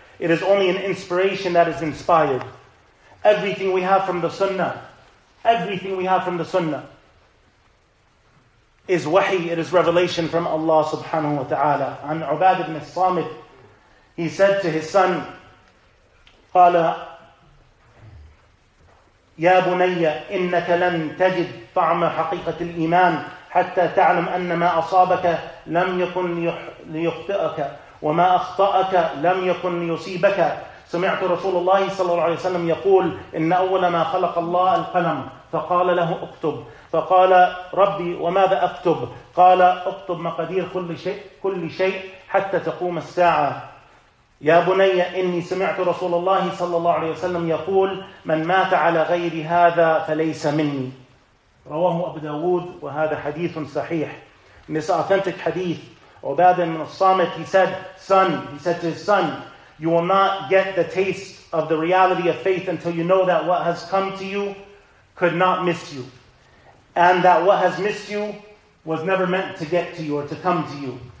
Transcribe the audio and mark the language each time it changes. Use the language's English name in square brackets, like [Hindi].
[English] It is only an inspiration that is inspired. Everything we have from the Sunnah, everything we have from the Sunnah is wahi, it is revelation from Allah subhanahu wa ta'ala. And Ubad ibn Samit, he said to his son, [Arabic] قَالَ يَا بُنَيَّ إِنَّكَ لَن تَجِدْ طَعْمَ حَقِيقَةِ الْإِيمَانِ حَتَّى تَعْلَمْ أَنَّ مَا أَصَابَكَ لَمْ يَكُنْ لِيُخْطِئَكَ وَمَا أَخْطَأَكَ لَمْ يَكُنْ لِيُصِيبَكَ سمعت رسول الله صلى الله عليه وسلم يقول إن أول ما خلق الله القلم فقال له اكتب فقال ربي وماذا أكتب قال اكتب مقادير كل شيء حتى تقوم الساعة يا بني إني سمعت رسول الله صلى الله عليه وسلم يقول من مات على غير هذا فليس مني رواه أبو داود وهذا حديث صحيح. [English] This authentic hadith, Ubad ibn Samit, he said to his son, you will not get the taste of the reality of faith until you know that what has come to you could not miss you. And that what has missed you was never meant to get to you or to come to you.